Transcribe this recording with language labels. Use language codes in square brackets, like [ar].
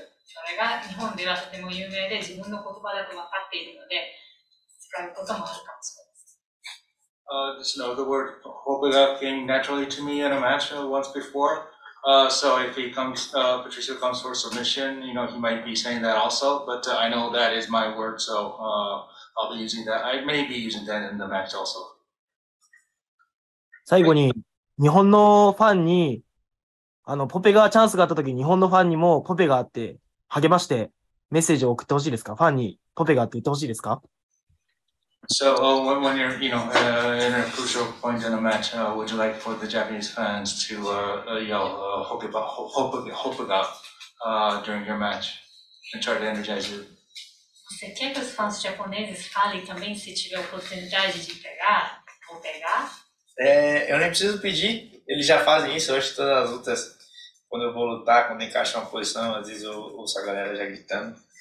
[ja] それが日本ではとても有名で自分の言葉だと分かっているので、使うこともあるかもしれません。 [en] Just know the word Hobega came naturally to me in a match once before. So if he comes, Patricio comes for submission, he might be saying that also. But I know that is my word, so I'll be using that. I may be using that in the match also. [ja] 最後に日本のファンにポペガーチャンスがあった時、日本のファンにもポペガーって励ましてメッセージを送ってほしいですか？ファンにポペガーって言ってほしいですか？ [en] So, when you're, you know, in a crucial point in a match, would you like for the Japanese fans to yell Hopega during your match and try to energize you? [pt] Você quer que os fãs japoneses falem também se tiver oportunidade de pegar ou pegar? É, eu nem preciso pedir, eles já fazem isso, hoje todas as lutas, quando eu vou lutar, quando encaixo uma posição, às vezes eu ouço a galera já gritando.